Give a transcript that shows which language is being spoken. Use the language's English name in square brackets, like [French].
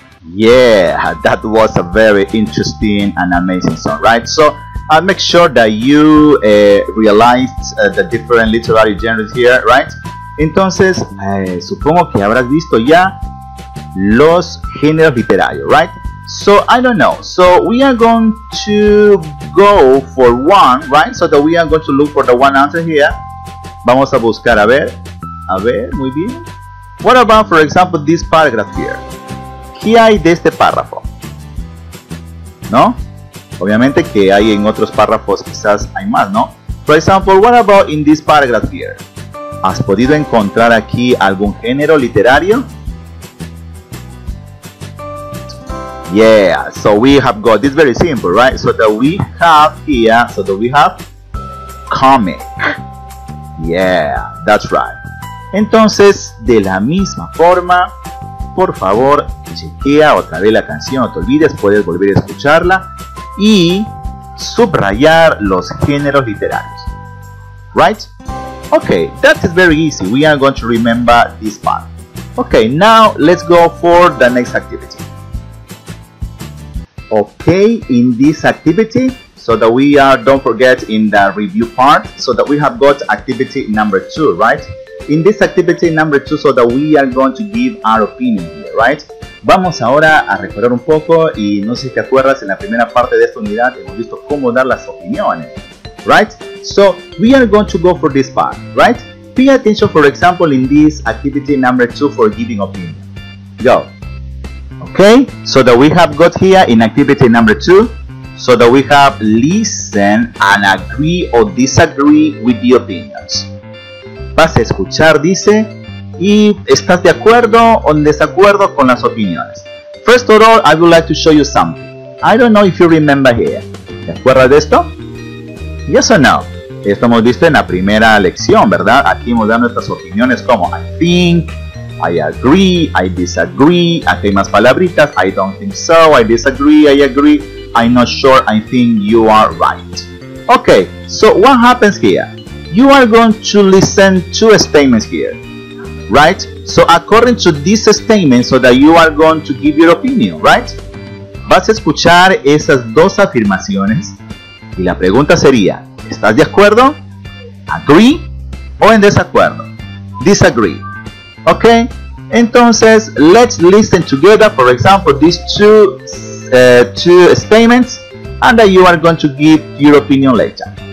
[English] Yeah, that was a very interesting and amazing song, right? So make sure that you realized the different literary genres here, right? [Spanish] Entonces, supongo que habrás visto ya los géneros literarios, right? [English] So I don't know. So we are going to go for one, right? So that we are going to look for the one answer here. [Spanish] Vamos a buscar, a ver, muy bien. [English] What about, for example, this paragraph here? [Spanish] ¿Qué hay de este párrafo? ¿No? Obviamente que hay en otros párrafos, quizás hay más, ¿no? [English] For example, what about in this paragraph here? [Spanish] ¿Has podido encontrar aquí algún género literario? [English] Yeah, so we have got this very simple, right? So that we have here, so that we have comic. Yeah, that's right. [Spanish] Entonces, de la misma forma, por favor, chequea otra vez la canción, no te olvides, puedes volver a escucharla y subrayar los géneros literarios. [English] Right? Okay, that is very easy. We are going to remember this part. Okay, now let's go for the next activity. Okay, in this activity, so that we are, don't forget, in the review part, so that we have got activity number two, right? In this activity number two, so that we are going to give our opinion here, right? [Spanish] Vamos ahora a recordar un poco y no sé si te acuerdas, en la primera parte de esta unidad hemos visto cómo dar las opiniones, right? [English] So, we are going to go for this part, right? Pay attention, for example, in this activity number two for giving opinion. Go. Okay, so that we have got here in activity number two, so that we have listen and agree or disagree with the opinions. [Spanish] Vas a escuchar, dice, y estás de acuerdo o en desacuerdo con las opiniones. [English] First of all, I would like to show you something. I don't know if you remember here. [Spanish] ¿Te acuerdas de esto? [English] Yes or no? [Spanish] Esto hemos visto en la primera lección, ¿verdad? Aquí hemos dado nuestras opiniones como [English] I think, I agree, I disagree. [Spanish] Aquí hay más palabritas. [English] I don't think so, I disagree, I agree. I'm not sure, I think you are right. Okay, so what happens here? You are going to listen to statements here, right? So according to this statement, so that you are going to give your opinion, right? [Spanish] Vas a escuchar esas dos afirmaciones y la pregunta sería, ¿estás de acuerdo? ¿Agree? ¿O en desacuerdo? Disagree. [English] Okay, entonces, let's listen together, for example, these two statements, and that you are going to give your opinion later.